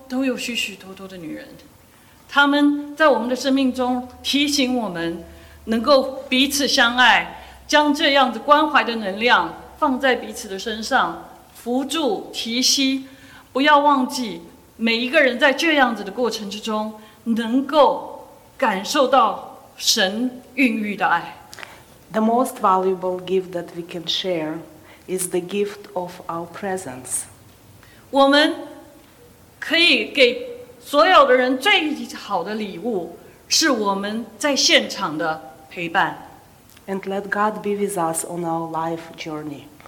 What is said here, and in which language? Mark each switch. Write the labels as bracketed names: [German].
[Chinese] 我们每一个人的生命中都有许许多多的女人。他们在我们的生命中提醒我们，能够彼此相爱，将这样子关怀的能量放在彼此的身上，扶助、提携，不要忘记，每一个人在这样子的过程之中能够感受到神孕育的爱。 [English] The most valuable gift that we can share is the gift of our presence. [Chinese] 我们可以给 所有的人最好的礼物是我们在现场的陪伴。 [English] And let God be with us on our life journey.